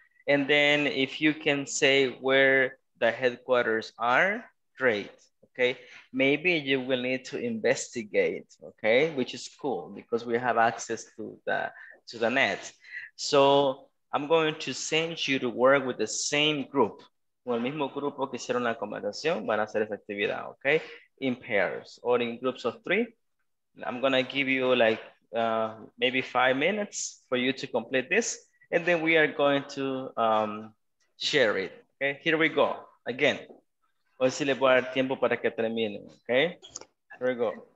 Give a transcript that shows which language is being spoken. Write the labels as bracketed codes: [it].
[en] And then if you can say where the headquarters are, great. Okay, maybe you will need to investigate, okay, which is cool because we have access to the net. So I'm going to send you to work with the same group. [es] Con el mismo grupo que hicieron la conversación, van a hacer esa actividad, okay? [en] In pairs or in groups of three. I'm gonna give you like maybe 5 minutes for you to complete this. And then we are going to share it, okay? Here we go, again. [es] Hoy sí les voy a dar tiempo para que termine, okay? [en] Here we go.